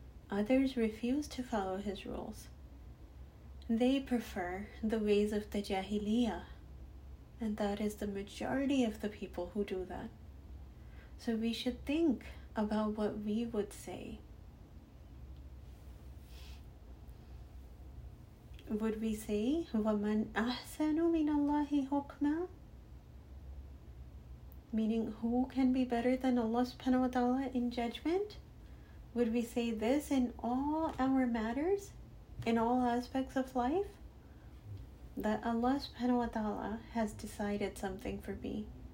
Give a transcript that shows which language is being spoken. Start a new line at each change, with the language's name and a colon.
English: Others refuse to follow his rules. They prefer the ways of the jahiliyyah. And that is the majority of the people who do that. So we should think about what we would say. Would we say,
Arabic: وَمَنْ أَحْسَنُ مِنَ اللَّهِ حُكْمًا?
English: Meaning, who can be better than Allah subhanahu wa ta'ala in judgment? Would we say this in all our matters, in all aspects of life? That Allah subhanahu wa ta'ala has decided something for me.